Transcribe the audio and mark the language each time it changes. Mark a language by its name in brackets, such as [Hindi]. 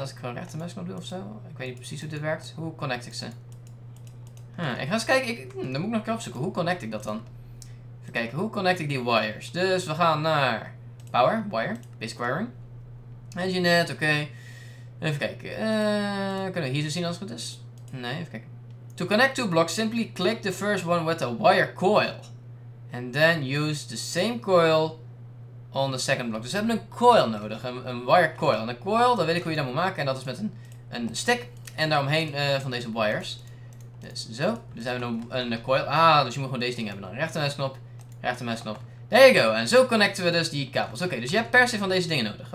[Dutch] Als ik gewoon rechter muis kan doen ofzo. Ik weet niet precies hoe dit werkt. Hoe connect ik ze? Ik ga eens kijken. Dan moet ik nog een keer opzoeken. Hoe connect ik dat dan? Even kijken. Hoe connect ik die wires? Dus we gaan naar power, wire, basic wiring. Enginet, oké. Okay. Even kijken. Kunnen we hier zo zien als het goed is? Nee, even kijken. [English] To connect two blocks, simply click the first one with a wire coil. And then use the same coil on the second block. [Dutch] Dus we hebben een coil nodig, een wire coil. En een coil, dat weet ik hoe je dat moet maken. En dat is met een stick en daaromheen van deze wires. Dus zo, dus hebben we een coil. Ah, dus je moet gewoon deze ding hebben. Dan rechtermuisknop, rechtermuisknop. [English] There you go. [Dutch] En zo connecten we dus die kabels. Oké, dus je hebt per se van deze dingen nodig.